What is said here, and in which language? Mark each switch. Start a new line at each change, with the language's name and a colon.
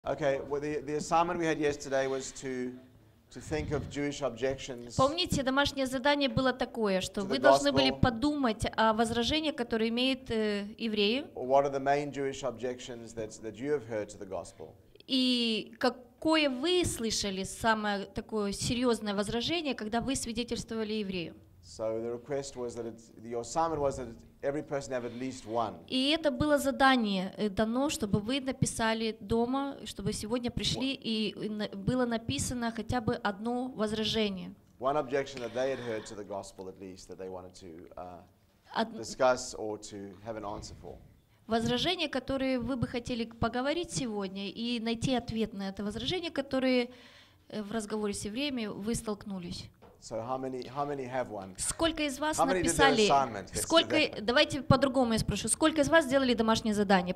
English: Okay, well, the assignment we had yesterday was to think of Jewish objections.
Russian: Помните, домашнее задание было такое, что вы должны были подумать о возражениях, которые имеют евреи.
English: What are the main Jewish objections that you have heard to the gospel?
Russian: И какое вы слышали самое такое серьезное возражение, когда вы свидетельствовали еврею?
English: So the request was that your assignment was that every person have at least one.
Russian: И это было задание дано, чтобы вы написали дома, чтобы сегодня пришли и было написано хотя бы одно возражение.
English: One objection that they had heard to the gospel at least that they wanted to discuss or to have an answer for.
Russian: Возражение, которое вы бы хотели поговорить сегодня и найти ответ на это возражение, которое в разговоре с евреями вы столкнулись.
English: So how many have one?
Russian: Сколько из вас написали? Сколько? Давайте по-другому я спрошу. Сколько из вас сделали домашнее задание?